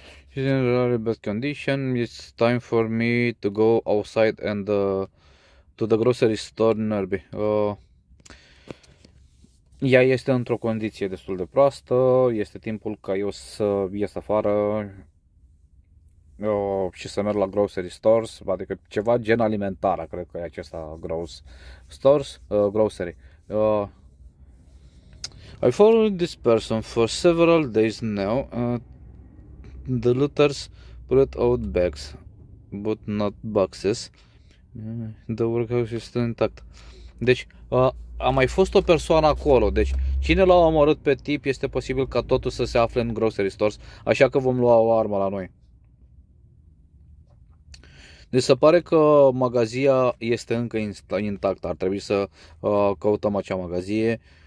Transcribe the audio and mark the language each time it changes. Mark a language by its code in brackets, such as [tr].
[en] She's in really bad condition. It's time for me to go outside and to the grocery store nearby. [ro] Ea este într-o condiție destul de proastă. Este timpul ca eu să ies afară și să merg la grocery stores, adică ceva gen alimentară, cred că e acesta gross stores, grocery. [en] I followed this person for several days now. The looters put out bags, but not boxes. The workhouse is still intact. [ro] Deci, a mai fost o persoană acolo, deci cine l-a omorât pe tip, este posibil ca totul să se afle în grocery stores, așa că vom lua o armă la noi. Deci se pare că magazia este încă intactă. Ar trebui să căutăm acea magazie.